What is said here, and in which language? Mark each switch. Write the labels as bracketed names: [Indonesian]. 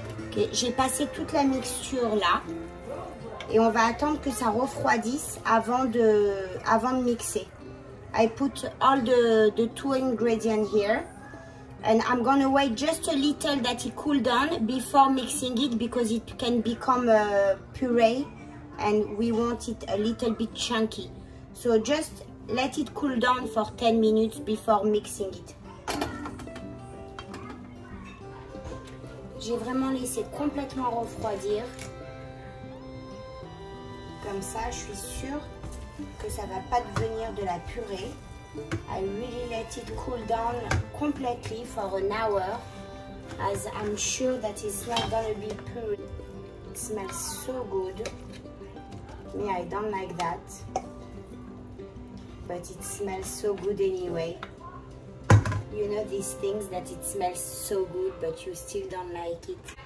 [French] Okay, j'ai passé toute la mixture là et on va attendre que ça refroidisse avant de mixer. [English] I put all the two ingredients here and I'm gonna wait just a little that it cool down before mixing it because it can become a puree and we want it a little bit chunky. So just let it cool down for 10 minutes before mixing it. [French] J'ai vraiment laissé complètement refroidir. Comme ça, je suis sûre que ça va pas devenir de la purée. [English] I really let it cool down completely for an hour as I'm sure that it's not gonna be puree. It smells so good. Yeah, I don't like that. But it smells so good anyway. You know these things that it smells so good, but you still don't like it.